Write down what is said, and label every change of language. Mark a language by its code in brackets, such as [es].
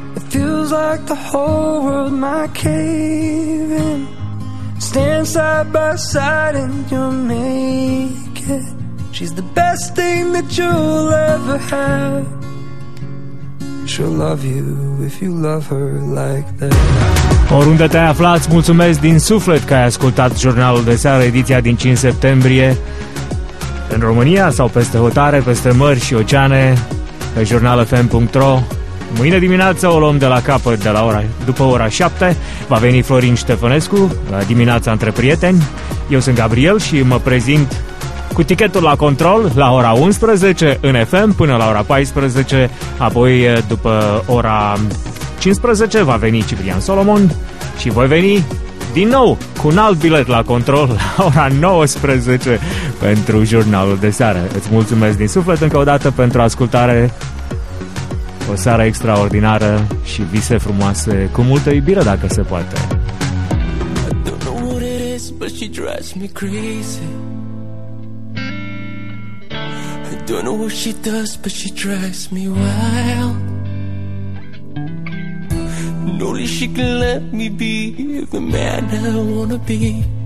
[en] feels like the whole world might cave in. Stand side by side and you'll make it. She's the best thing that you'll ever have. She'll love you if you love her like that. [ro] Oriunde te-ai aflat, mulțumesc din suflet că ai ascultat Jurnalul de Seară, ediția din 5 septembrie. În România sau peste hotare, peste mări și oceane, pe jurnalfm.ro. Mâine dimineață o luăm de la capăt, de la ora, după ora 7, va veni Florin Ștefănescu, dimineața între prieteni. Eu sunt Gabriel și mă prezint cu tichetul la control la ora 11 în FM până la ora 14, apoi după ora 15 va veni Ciprian Solomon și voi veni din nou cu un alt bilet la control la ora 19 pentru Jurnalul de Seară. Îți mulțumesc din suflet încă o dată pentru ascultare. O seară extraordinară și vise frumoase, cu multă iubire dacă se poate. [en] I don't know what it is, but she drives me crazy. I don't know what she does, but she drives me wild. And only she can let me be the man I wanna be.